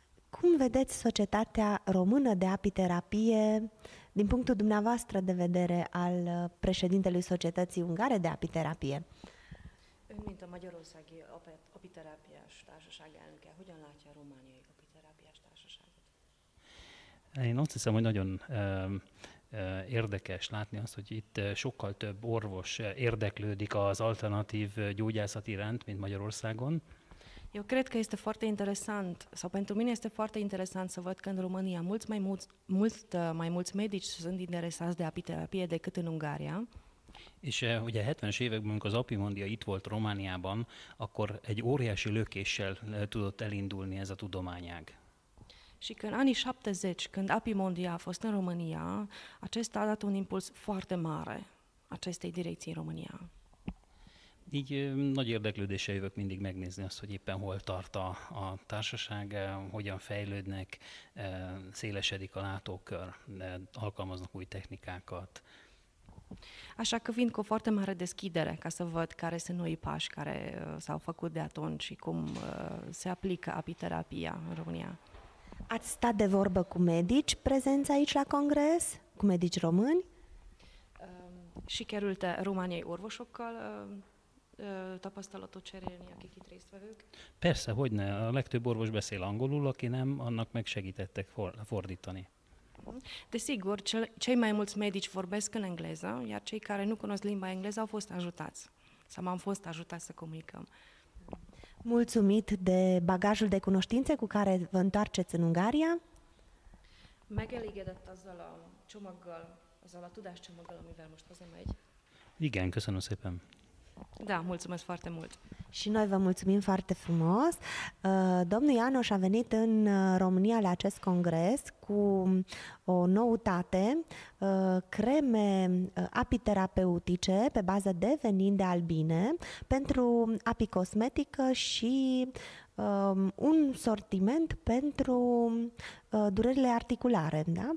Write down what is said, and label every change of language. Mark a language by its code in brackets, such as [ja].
[ro] Cum vedeți societatea română de apiterapie din punctul dumneavoastră de vedere al președintelui Societății Ungare de Apiterapie? [hu] Mint a magyarországi apiterápiás társaság elnöke, hogyan látja a romániai apiterápiás társaságot? Én azt hiszem, hogy nagyon érdekes látni azt, hogy itt sokkal több orvos érdeklődik az alternatív gyógyászat iránt, mint Magyarországon. [ro] Eu cred că este foarte interesant, sau pentru mine este foarte interesant să văd că în România mulți medici sunt interesați de apiterapie decât în Ungaria. [hu] És ugye 70-es években, amikor az Apimondia itt volt Romániában, akkor egy óriási lökéssel tudott elindulni ez a tudományág. [ro] Și că în anii 70, când Apimondia a fost în România, acesta a dat un impuls foarte mare acestei direcții în România. [hu] Így nagy érdeklődéssel jövök mindig megnézni azt, hogy éppen hol tart a társaság, hogyan fejlődnek, szélesedik a látókör, alkalmaznak új technikákat. [ro] Așa că vin cu o foarte mare deschidere ca să văd care sunt noi pași care s-au făcut de atunci și cum se aplică apiterapia în România. Ați stat de vorbă cu medici prezenți aici la congres, cu medici români? Și chiar [hu] ulte, României orvosokkal tapasztalatot cserélni, akik itt részt vevők? Persze, hogy ne. A legtöbb orvos beszél angolul, aki nem, annak meg segítettek fordítani. [ro] Desigur, cei mai mulți medici vorbesc în engleză, iar cei care nu cunosc limba engleză au fost ajutați. Sau am fost ajutați să comunicăm. Mulțumit de bagajul de cunoștințe cu care vă întoarceți în Ungaria. [hu] Megelégedett azzal a csomaggal, azzal a tudáscsomaggal, amivel most hazamegy. Igen, köszönöm szépen. [ro] Da, mulțumesc foarte mult. Și noi vă mulțumim foarte frumos. Domnul Ianoș a venit în România la acest congres cu o noutate, creme apiterapeutice pe bază de venin de albine pentru apicosmetică și un sortiment pentru durerile articulare, da?